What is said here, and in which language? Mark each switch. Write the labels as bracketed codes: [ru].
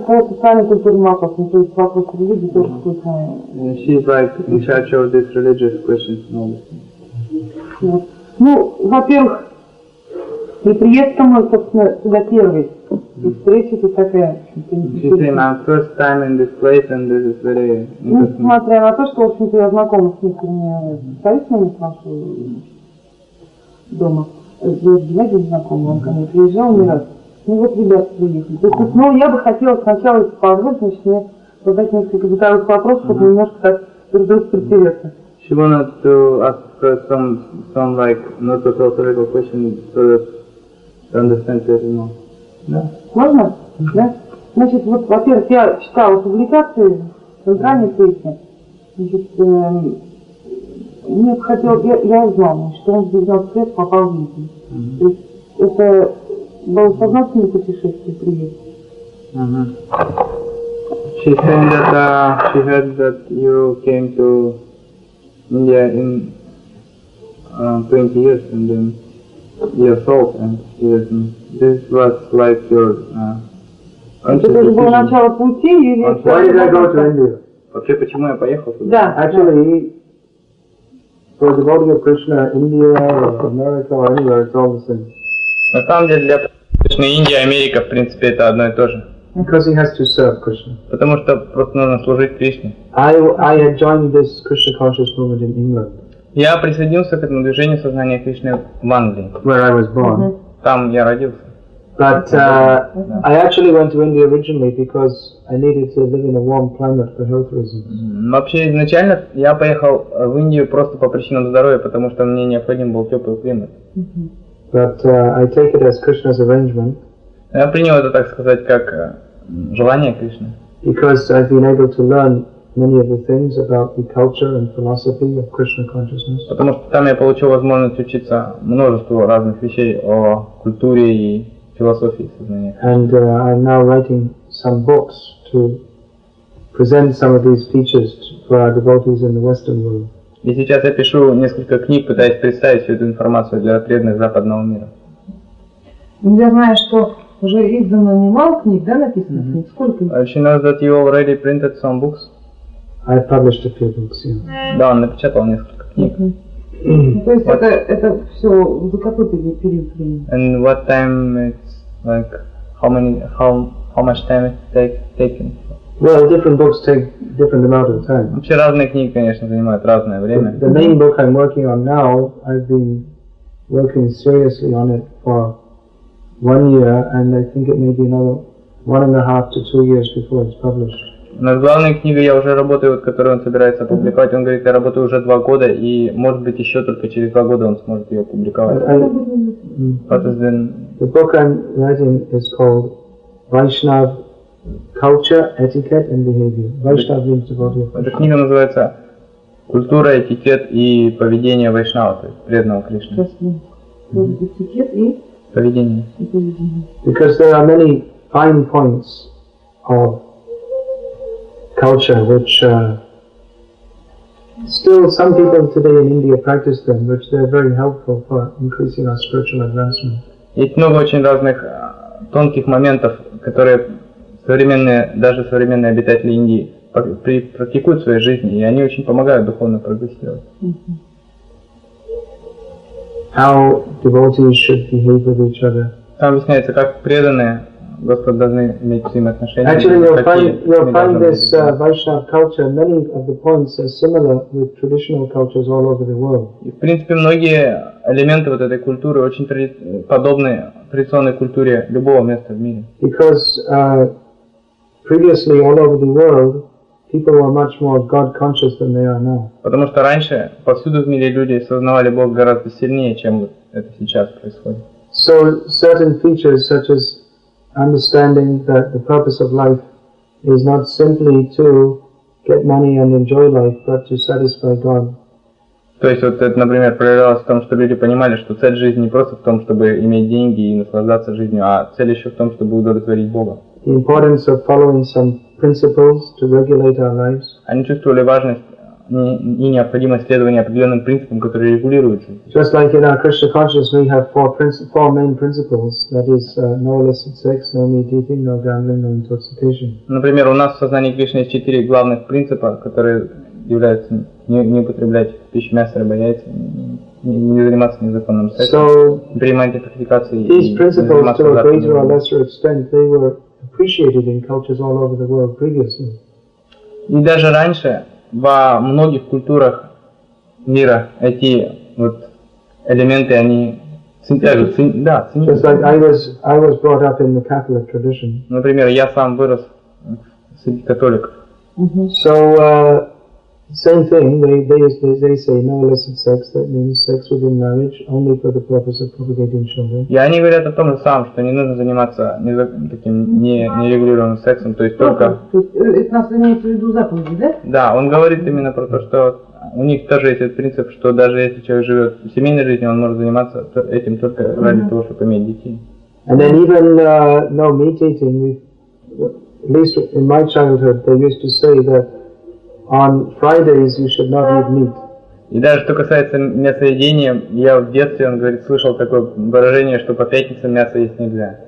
[ru] по социальной культуре мапа, в смысле, по вопросу религии, тоже случайно. [en] And she's like, in charge of these religious questions and all this. [ru] Ну, во-первых, неприятно мы, собственно, сюда первый. И встреча тут такая. [en] She's saying, I'm first time in this place, and this is very interesting. [ru] Несмотря на то, что, в общем-то, я знакома с некоторыми представителями с вашего дома. Дядя знакомый, он ко мне приезжал не раз. Ну вот ребята приехали. То есть, ну я бы хотела сначала поговорить, значит, мне задать несколько бытовых вопросов, чтобы немножко так друг другу притереться. [en] She wanted to ask some like not so theoretical question, so that to understand better, you know. [ru] Да? [en] Yeah. [ru] Можно? Mm-hmm. Да? Значит, вот, во-первых, я читала публикации в центральной сессии. Значит, мне бы хотелось, я узнала, что он в 19 лет попал в Индию. То есть это было сознательное путешествие, приезд. [en] She said that she heard that you came to India in 20 years and then you assault and this was like your conscious decision. [ru] Это было начало пути или что? [en] Why did I go to India? [ru] Вообще, почему я поехал туда? Да. [en] Actually, for the body of Krishna, India or America or anywhere, it's all the same. [ru] На самом деле для Кришны Индия, Америка, в принципе, это одно и то же. [en] Because he has to serve Krishna. [ru] Потому что просто нужно служить Кришне. [en] I had joined this Krishna conscious movement in England. [ru] Я присоединился к этому движению сознания Кришны в Англии. [en] Where I was born. [ru] Там я родился. [en] But I actually went to India originally because I needed to live in a warm climate for health reasons. [ru] Вообще изначально я поехал в Индию просто по причинам здоровья, потому что мне необходим был теплый климат. [en] But I take it as Krishna's arrangement. [ru] Я принял это, так сказать, как желание Кришны. [en] Because I've been able to learn many of the things about the culture and philosophy of Krishna consciousness. [ru] Потому что там я получил возможность учиться множеству разных вещей о культуре и философии сознания. [en] And I'm now writing some books to present some of these features for our devotees in the Western world. [ru] И сейчас я пишу несколько книг, пытаясь представить всю эту информацию для преданных западного мира. Я знаю, что уже издано немало книг, да, написано? Mm-hmm. Сколько? [en] She knows that you already printed some books. I've published a few books, yeah. Mm-hmm. [ru] Да, он напечатал несколько книг. То есть это все за какой-то период времени? [en] And what time it's like, how much time it taken? Well, different books take different amount of time. [ru] Вообще разные книги, конечно, занимают разное время. [en] The main book I'm working on now, I've been working seriously on it for 1 year, and I think it may be another 1.5 to 2 years before it's published. [ru] Над главной книгой я уже работаю, вот, которую он собирается опубликовать. Он говорит, я работаю уже 2 года, и может быть еще только через 2 года он сможет ее опубликовать. [en] The book I'm writing is called Vaishnav. Culture, etiquette, and behavior. Vaishnava means the body. [ru] Эта книга называется "Культура, этикет и поведение Вайшнава", то есть преданного Кришны. Этикет и поведение. [en] Because there are many fine points of culture which still some people today in India practice them, which they are very helpful for increasing our spiritual advancement. [ru] Есть много очень разных тонких моментов, которые современные обитатели Индии практикуют в своей жизни, и они очень помогают духовно прогрессировать. [en] How devotees should behave with each other. [ru] Там объясняется, как преданные Господу должны иметь взаимоотношения. [en] Actually, you'll find this Vaishnava culture. Many of the points are similar with traditional cultures all over the world. [ru] И, в принципе, многие элементы вот этой культуры очень подобны традиционной культуре любого места в мире. [en] Because previously, all over the world, people were much more God-conscious than they are now. [ru] Потому что раньше повсюду в мире люди сознавали Бога гораздо сильнее, чем это сейчас происходит. [en] So certain features, such as understanding that the purpose of life is not simply to get money and enjoy life, but to satisfy God. [ru] То есть вот это, например, проявлялось в том, чтобы люди понимали, что цель жизни не просто в том, чтобы иметь деньги и наслаждаться жизнью, а цель еще в том, чтобы удовлетворить Бога. [en] The importance of following some principles to regulate our lives. [ru] Они чувствовали важность и необходимость следования определенным принципам, которые регулируются. [en] Just like in our Krishna consciousness, we have four main principles. That is, no illicit sex, no meat eating, no gambling, no intoxication. [ru] Например, у нас в сознании Кришны есть четыре главных принципа, которые являются не употреблять пищу, мясо, рыбу, яйца, не заниматься незаконным сексом, принимать интоксикации. [en] These principles, to a greater or lesser extent, they were appreciated in cultures all over the world previously. [ru] И даже раньше во многих культурах мира эти вот элементы они [en] Just like I was brought up in the Catholic tradition. [ru] Например, я сам вырос среди католиков. [en] So same thing. They say no illicit sex. That means sex within marriage, only for the purpose of propagating children. Yeah, [ru] они говорят о том же самом, что не нужно заниматься таким нерегулированным сексом, то есть только. То есть нас имеется в виду заповеди, да? Да, он говорит именно про то, что у них тоже есть этот принцип, что даже если человек живет в семейной жизни, он может заниматься этим только ради того, чтобы иметь детей. [en] And then even no meat eating. At least in my childhood, they used to say that. On Fridays you should not eat meat. [ru] И даже что касается мясоедения, я в детстве, он говорит, слышал такое выражение, что по пятницам мясо есть нельзя.